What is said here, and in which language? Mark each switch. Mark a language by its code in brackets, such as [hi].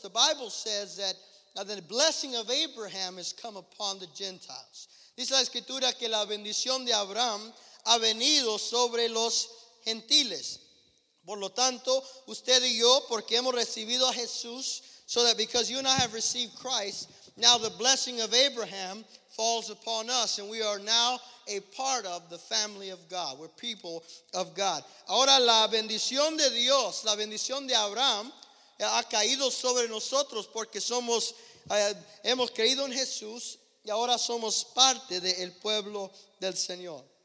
[en] The Bible says that the blessing of Abraham has come upon the Gentiles. [es] Dice la escritura que la bendición de Abraham ha venido sobre los Gentiles. Por lo tanto, usted y yo, porque hemos recibido a Jesús, [en] so that because you and I have received Christ, now the blessing of Abraham falls upon us, and we are now a part of the family of God. We're people of God. [es] Ahora la bendición de Dios, la bendición de Abraham, ha caído sobre nosotros porque somos, hemos creído en Jesús, y ahora somos parte del pueblo del Señor.